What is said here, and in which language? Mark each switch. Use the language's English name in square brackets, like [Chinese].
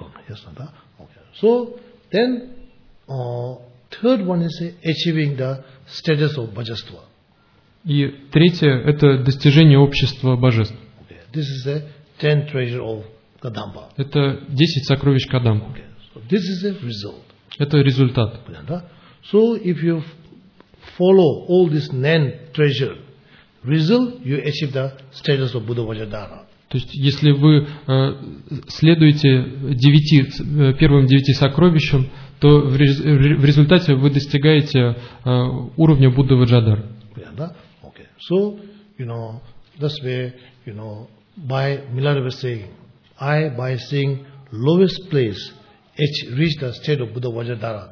[Russian] Ясно, да? [English] Okay. So, then, third one is achieving the status of божества. [Russian] И третье – это достижение общества божеств. [English] Okay. This is the 10 treasure of Kadamba. [Russian] Это 10 сокровищ Кадамба. [English] Okay. So this is a result. [Russian] Это результат. Понятно? [English] So if you follow all this 9 treasure result, you achieve the status of Buddha Vajradhara. [Russian] То есть если вы следуете первым 9 сокровищам, то в результате вы достигаете уровня Будды Ваджадхара. Понятно? [English] Okay. So, you know, that's where, you know, by Milarepa saying, I, by seeing lowest place, reach the state of Buddha Vajradhara.